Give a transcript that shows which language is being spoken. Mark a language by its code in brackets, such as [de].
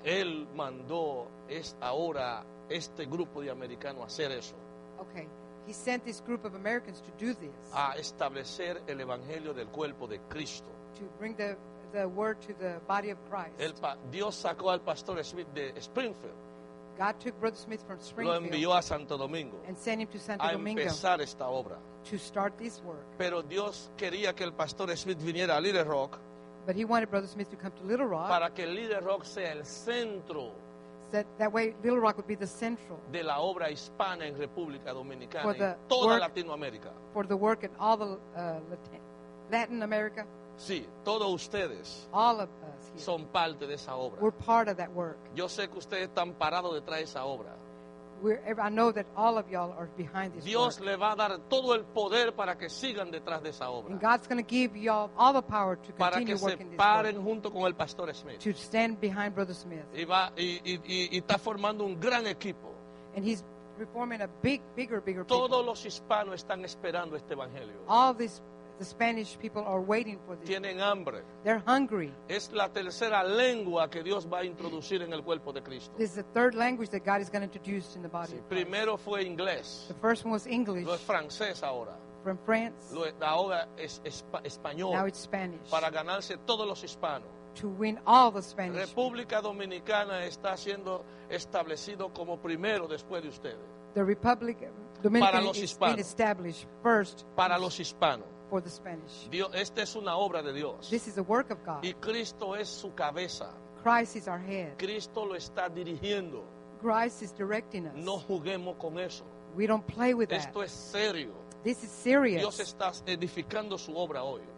[es] Él mandó ahora este grupo de americanos a hacer eso. [en] Okay. He sent this group of Americans to do this. [es] A establecer el evangelio del cuerpo de Cristo. [en] To bring the word to the body of Christ. [es] Dios sacó al pastor Smith de Springfield. [en] God took Brother Smith from Springfield. [es] Lo envió a Santo Domingo. [en] And sent him to Santo Domingo. [es] A empezar esta obra. [en] To start this work. [es] Pero Dios quería que el pastor Smith viniera a Little Rock. [en] But he wanted Brother Smith to come to Little Rock. [es] Para que Little Rock sea el centro. [en] That way Little Rock would be the central. [es] De la obra hispana en República Dominicana. [en] For the [es] y toda [en] work, [es] Latinoamérica. [en] For the work in all the Latin America. [es] Sí, todos ustedes. [en] All of us here. [es] Son parte de esa obra. [en] We're part of that work. [es] Yo sé que ustedes están parados detrás de esa obra. [en] I know that all of y'all are behind this. [es] Dios [en] work. [es] Le va a dar todo el poder para que sigan detrás de esa obra. [en] And God's going to give y'all all the power to continue working this work. [es] Para que se paren junto con el pastor Smith. [en] To stand behind Brother Smith. [es] Y está formando un gran equipo. [en] And he's reforming a bigger people. [es] Todos los hispanos están esperando este evangelio. [en] All the Spanish people are waiting for this. [es] Tienen hambre. [en] They're hungry. [es] Es la tercera lengua que Dios va a introducir en el cuerpo de Cristo. [en] This is the third language that God is going to introduce in the body. [es] Sí, primero fue inglés. [en] The first one was English. [es] Luego es francés ahora. [en] From France. [es] Luego ahora es español. [en] Now it's Spanish. [es] Para ganarse todos los hispanos. [en] To win all the Spanish. [es] República Dominicana está siendo establecido como primero después de ustedes. [en] The Republic Dominican is being established first. [es] Para los hispanos. [en] For the Spanish. [es] Dios, esta es una obra de Dios. [en] This is a work of God. [es] Y Cristo es su cabeza. [en] Christ is our head. [es] Cristo lo está dirigiendo. [en] Christ is directing us. [es] No juguemos con eso. [en] We don't play with [es] esto [en] that. [es] Esto es serio. [en] This is serious. [es] Dios está edificando su obra hoy.